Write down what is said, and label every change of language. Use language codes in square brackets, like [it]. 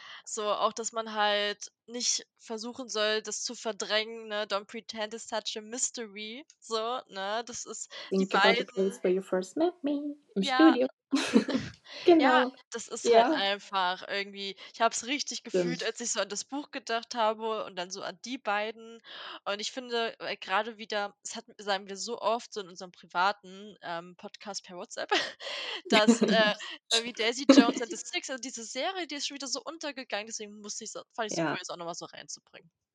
[de] So, auch, dass man halt nicht versuchen soll, das zu verdrängen, ne? [en] Don't pretend it's such a mystery, so, ne? [de] Das ist [en] Think [de] die beiden. [en] About the place where you first met me, [de] im Studio. Genau. Ja, das ist halt einfach irgendwie, ich habe es richtig gefühlt, als ich so an das Buch gedacht habe und dann so an die beiden. Und ich finde, gerade wieder, das hat, sagen wir so oft, so in unserem privaten Podcast per WhatsApp, dass irgendwie Daisy Jones and the Six, also diese Serie, die ist schon wieder so untergegangen, deswegen musste ich so, fand ich so cool, auch nochmal so reinzubringen.